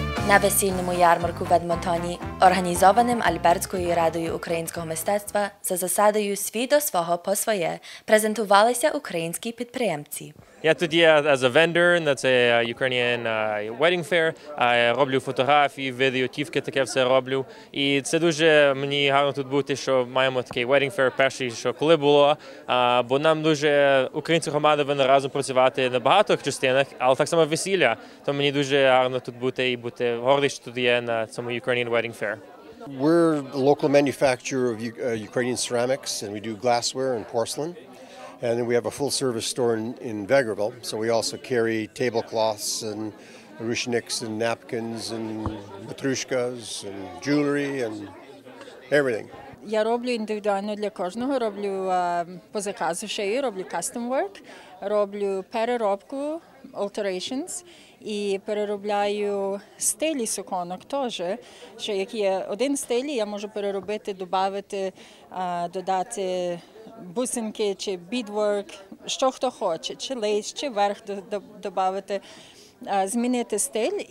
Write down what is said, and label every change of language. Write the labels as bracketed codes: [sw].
[en] Yeah, [uk] На весільному ярмарку в Едмонтоні, організованим Альбертською радою українського мистецтва, за засадою «Свій до свого по своє», презентувалися українські підприємці. Я тут є [en] as a vendor, and that's a Ukrainian wedding fair. [uk] Я роблю фотографії, відеотівки, таке все роблю. І це дуже мені гарно тут бути, що маємо такий wedding fair, перший, що коли було. Бо нам дуже, українська громада, вона разом працювати на багатьох частинах, але так само весілля. То мені дуже гарно тут бути і бути гордий, що тут є на цьому Ukrainian wedding fair. [en] We're a local manufacturer of Ukrainian ceramics, and we do glassware and porcelain. And then we have a full service store in Vegreville, so we also carry tablecloths and rushniks and napkins and matryoshkas and jewelry and everything. [uk] Я роблю індивідуально для кожного, роблю по заказу шиї, роблю custom work, роблю переробку, alterations, і переробляю стелі суконок теж, що як є один стелі, я можу переробити, додати, додати бусинки чи бідворк, що хто хоче, чи лейс, чи верх додати, змінити стиль.